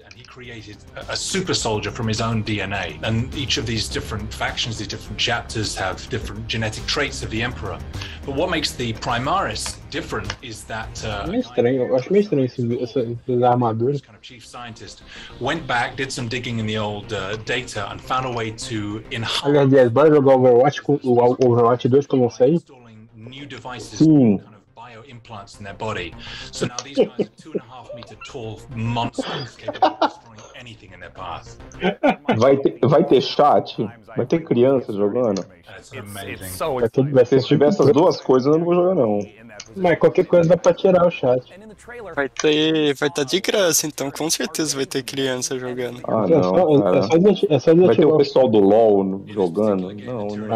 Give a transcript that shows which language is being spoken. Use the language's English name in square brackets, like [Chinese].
[English] Created a super soldier from his own DNA, and each of these different factions, these different chapters, have different genetic traits of the Emperor. But what makes the Primaris different is that. [Portuguese] Meio estranho esse [English] kind of chief scientist went back, did some digging in the old data, and found a way to enhance. [Portuguese] Aliás, bora jogar Overwatch com o Overwatch 2 que não sei. [English] Installing new devices. [Portuguese] Sim. [English] Implants in their body. So now these guys are 2.5 meter tall monsters capable of destroying anything in their path. [Portuguese] Vai ter chat? Vai ter criança jogando? Vai ter, se tiver essas duas coisas, eu não vou jogar, não. Mas qualquer coisa dá pra tirar o chat. Vai estar de graça, então com certeza vai ter criança jogando. Ah, não, cara. Vai ter o pessoal do LoL jogando? Não.